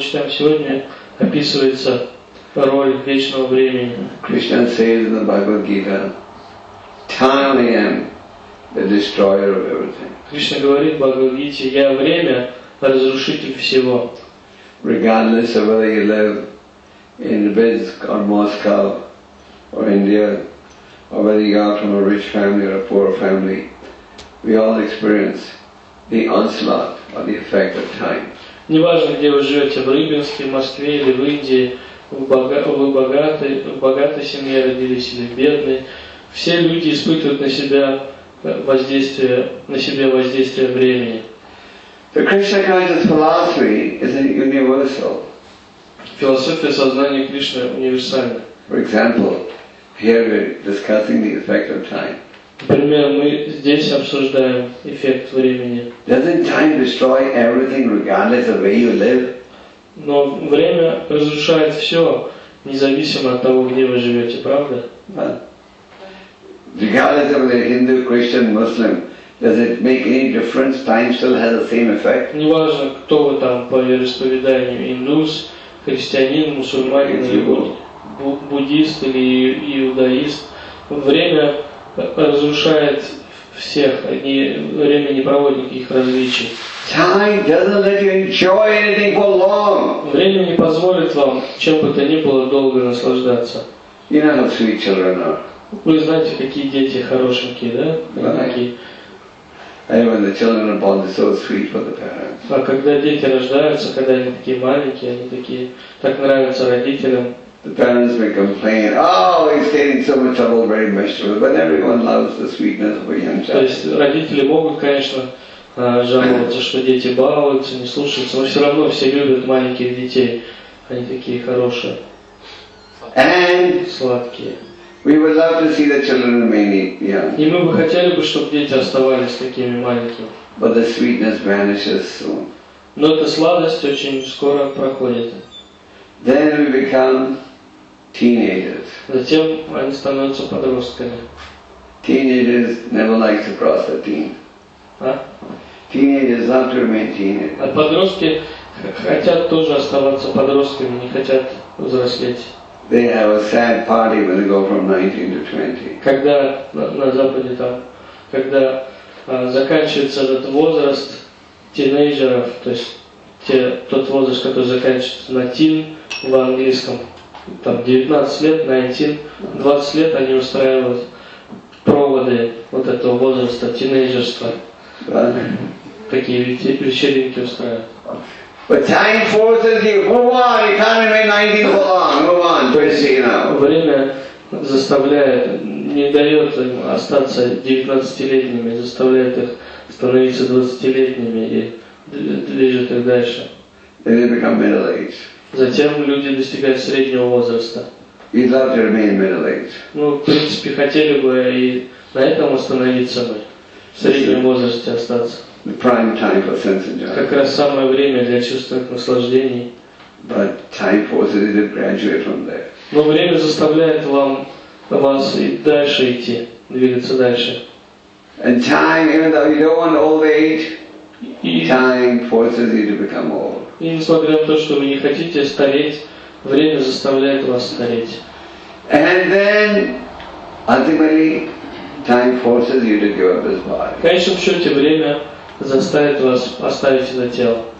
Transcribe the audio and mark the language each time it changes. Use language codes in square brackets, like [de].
[ru] сегодня описывается роль вечного времени. [en] Krishna says in the Bhagavad Gita, "Time I am, the destroyer of everything." [ru] Кришна говорит в Бхагавад Гите, я время, разрушитель всего. [en] Regardless of whether you live in Minsk or Moscow or India, or whether you are from a rich family or a poor family, we all experience the onslaught or the effect of time. [ru] Неважно, где вы живете, в Рыбинске, в Москве или в Индии, вы богаты, в богатой семье родились или бедные. Все люди испытывают на себя воздействие времени. [en] The Krishna conscious philosophy is universal. [ru] Философия сознания Кришны универсальна. [en] For example, here we're discussing the effect of time. [ru] Например, мы здесь обсуждаем эффект времени. [en] Doesn't time destroy everything regardless of where you live? [ru] Но время разрушает все, независимо от того, где вы живете, правда? [en] But regardless of whether Hindu, Christian, Muslim, does it make any difference? Time still has the same effect? [ru] Неважно, кто вы там по вероисповеданию, индус, христианин, мусульманин, буддист или иудаист, время разрушает всех, они время не проводит никаких различий. [en] Time doesn't let you enjoy anything for long. [ru] Время не позволит вам чем бы то ни было долго наслаждаться. [en] You know how sweet children are. [ru] Вы знаете, какие дети хорошенькие, да? [en] Right. And when the children are born, they're so sweet for the parents. [ru] А когда дети рождаются, когда они такие маленькие, они такие так нравятся родителям. [en] The parents may complain, "Oh, he's getting so much trouble, very miserable." But everyone loves the sweetness of a young child. [ru] То есть родители могут, конечно, жаловаться, что дети балуются, не слушаются, но все равно все любят маленьких детей. Они такие хорошие. [en] And [ru] сладкие. [en] We would love to see the children remaining young. [ru] И мы бы хотели бы, чтобы дети оставались такими маленькими. [en] But the sweetness vanishes soon. [ru] Но эта сладость очень скоро проходит. [en] Then we become teenagers. [ru] Затем они становятся подростками. [en] Teenagers never like to cross the teen. [ru] А? [en] Teenagers love to remain teenagers. [ru] А подростки хотят тоже оставаться подростками, не хотят взрослеть. [en] They have a sad party when they go from 19 to 20. [ru] Когда на Западе там, когда заканчивается этот возраст тинейджеров, то есть тот возраст, который заканчивается на teen в английском, там 19 лет, 19, 20 лет они устраивают проводы вот этого возраста тинейджерства. Такие вечеринки устраивают. [en] But time forces you. Move on. You can't remain 19 for long. Move on. 20 now. [ru] Время заставляет, не дает им остаться 19-летними, заставляет их становиться 20-летними и движет их дальше. [en] Then they become middle-aged. [ru] Затем люди достигают среднего возраста. [en] You'd love to remain middle-aged. [ru] Ну, в принципе, хотели бы и на этом остановиться бы, в среднем возрасте остаться. [en] The prime time for sense enjoyment. [ru] Как раз самое время для чувственных наслаждений. [en] But time forces you to graduate from there. [ru] Но время заставляет вас и дальше идти, двигаться дальше. [en] And time, even though you don't want old age, time forces you to become old. [ru] И несмотря на то, что вы не хотите стареть, время заставляет вас стареть. [en] And then, ultimately, time forces you to give up this body. [ru] В конечном счете, время заставит вас оставить это тело.